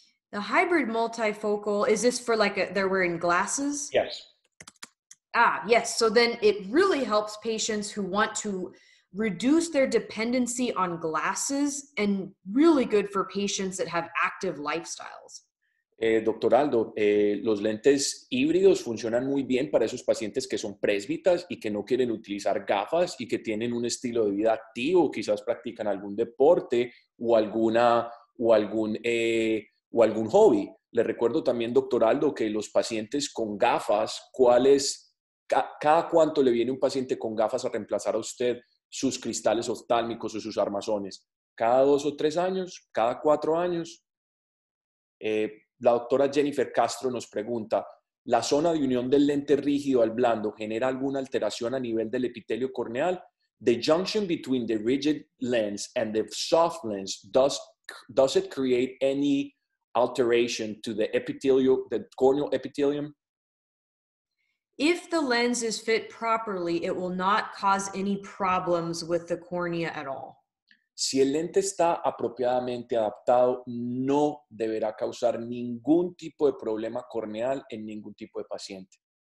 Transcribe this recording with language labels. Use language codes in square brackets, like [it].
[en] The hybrid multifocal, is this for they're wearing glasses? Yes. Ah, yes. So then it really helps patients who want to reduce their dependency on glasses and really good for patients that have active lifestyles. [es] Doctor Aldo, los lentes híbridos funcionan muy bien para esos pacientes que son presbitas y que no quieren utilizar gafas y que tienen un estilo de vida activo, quizás practican algún deporte o algún hobby. Le recuerdo también, doctor Aldo, que los pacientes con gafas, cada cuánto le viene un paciente con gafas a reemplazar a usted sus cristales oftálmicos o sus armazones? ¿Cada 2 o 3 años? ¿Cada 4 años? La doctora Jennifer Castro nos pregunta, ¿la zona de unión del lente rígido al blando genera alguna alteración a nivel del epitelio corneal? [en] the junction between the rigid lens and the soft lens, does it create any alteration to the epithelial, the corneal epithelium? If the lens is fit properly, it will not cause any problems with the cornea at all. [es] Si el lente está apropiadamente adaptado, no deberá causar ningún tipo de problema corneal en ningún tipo de paciente.